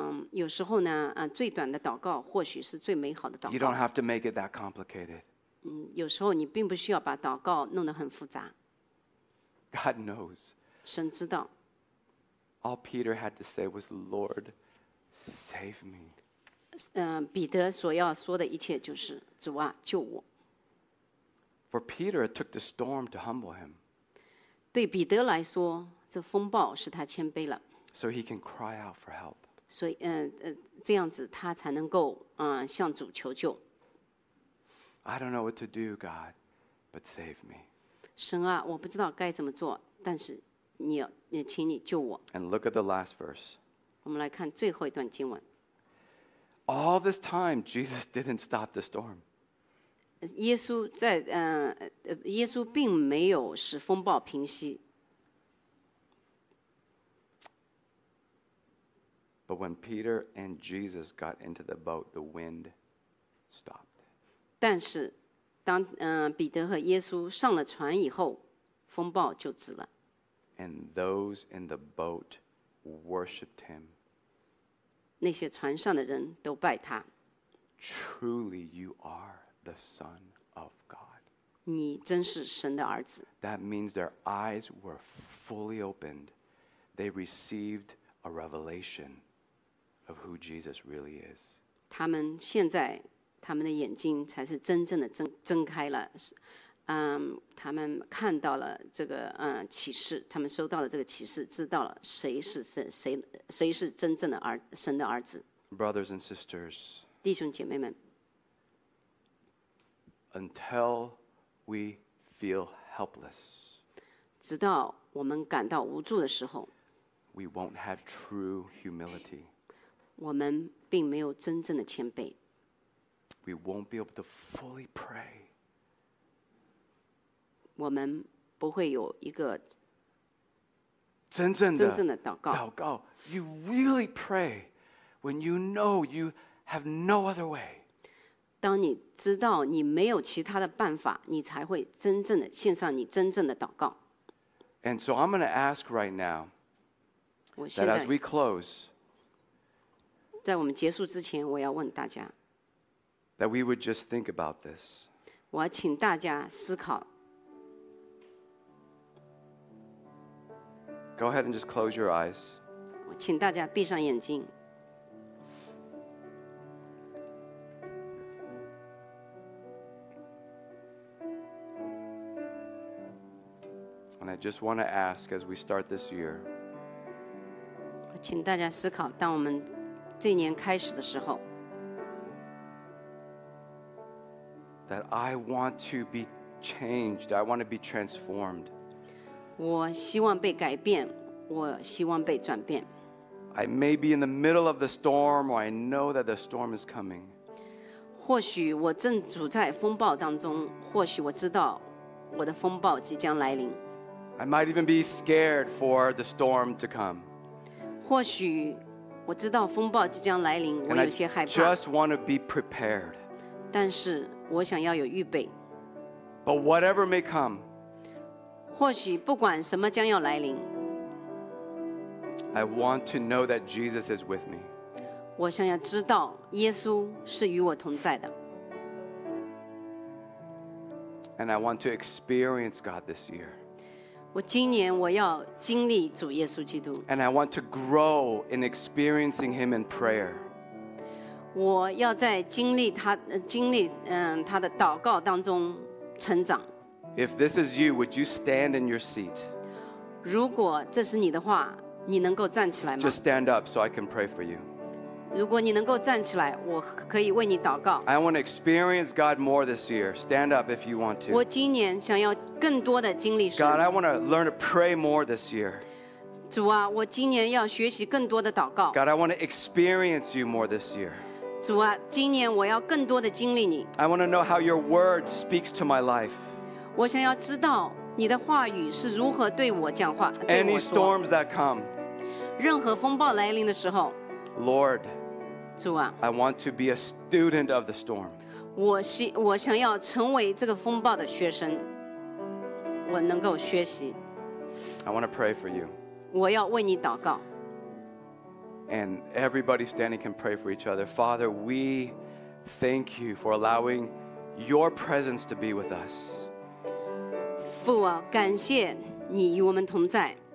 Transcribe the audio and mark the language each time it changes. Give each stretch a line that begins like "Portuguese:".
Chinese: 有时候呢，最短的祷告或许是最美好的祷告。
English: You don't have to make it that complicated.
Chinese: 有时候你并不需要把祷告弄得很复杂。
English: God knows.
Chinese: 神知道。
English: All Peter had to say was, Lord, save me.
Chinese: 彼得所要说的一切就是，主啊，救我。
English: For Peter, it took the storm to humble him.
Chinese: 对彼得来说，这风暴使他谦卑了。
English: So he can cry out for help.
Chinese: 所以，这样子他才能够，向主求救。
English: I don't know what to do, God, but save me.
Chinese: 神啊，我不知道该怎么做，但是你请你救我。
English: And look at the last verse.
Chinese: 我们来看最后一段经文。
English: All this time, Jesus didn't stop the storm.
Chinese: 耶稣并没有使风暴平息。
English: But when Peter and Jesus got into the boat, the wind stopped.
Chinese: 但是当彼得和耶稣上了船以后，风暴就止了。
English: And those in the boat worshipped him.
Chinese: 那些船上的人都拜他。
English: Truly, you are. The Son of God.
Chinese: 你真是神的儿子。
English: That means their eyes were fully opened. They received a revelation of who Jesus really is.
Chinese: 他们现在他们的眼睛才是真正的睁开了。他们看到了这个启示，他们收到了这个启示，知道了谁是真正的神的儿子。
English: Brothers and sisters,
Chinese: 弟兄姐妹们
English: ，Until we feel helpless,
Chinese: 直到我们感到无助的时候
English: ，we won't have true humility.
Chinese: 我们并没有真正的谦卑。
English: We won't be able to fully pray.
Chinese: 我们不会有一个真正的祷告。祷告
English: ，you really pray。 When you know you have no other way,
Chinese: 当你知道你没有其他的办法，你才会真正的献上你真正的祷告。
English: And so I'm going to ask right now that as we close,
Chinese: 在我们结束之前，我要问大家
English: that we would just think about this.
Chinese: 我要请大家思考。
English: Go ahead and just close your eyes.
Chinese: 我请大家闭上眼睛。
English: And I just want to ask as we start this year.
Chinese: 请大家思考，当我们这年开始的时候。
English: That I want to be changed. I want to be transformed.
Chinese: 我希望被改变，我希望被转变。
English: I may be in the middle of the storm, or I know that the storm is coming.
Chinese: 或许我正处在风暴当中，或许我知道我的风暴即将来临。
English: I might even be scared for the storm to come.
Chinese: 或许我知道风暴即将来临，我有些害怕。
English: And I just want to be prepared.
Chinese: 但是我想要有预备。
English: But whatever may come.
Chinese: 或许不管什么将要来临。
English: I want to know that Jesus is with me.
Chinese: 我想要知道耶稣是与我同在的。
English: And I want to experience God this year.
Chinese: 我今年我要经历主耶稣基督。
English: And I want to grow in experiencing Him in prayer.
Chinese: 我要在经历他的祷告当中成长。
English: If this is you, would you stand in your seat?
Chinese: 如果这是你的话，你能够站起来吗？
English: Just stand up so I can pray for you.
Chinese: 如果你能够站起来，我可以为你祷告。
English: I want to experience God more this year. Stand up if you want to.
Chinese: 我今年想要更多的经历神。
English: God, I want to learn to pray more this year.
Chinese: 主啊，我今年要学习更多的祷告。
English: God, I want to experience you more this year.
Chinese: 主啊，今年我要更多的经历你。
English: I want to know how your word speaks to my life.
Chinese: 我想要知道你的话语是如何对我讲话，对我说。
English: Any storms that come.
Chinese: 任何风暴来临的时候。
English: Lord,
Chinese: 主啊,
English: I want to be a student of the storm.
Chinese: 我想要成为这个风暴的学生。我能够学习。
English: I want to pray for you.
Chinese: 我要为你祷告。
English: And everybody standing can pray for each other. Father, we thank you for allowing your presence to be with us.
Chinese: 父啊，感谢你与我们同在。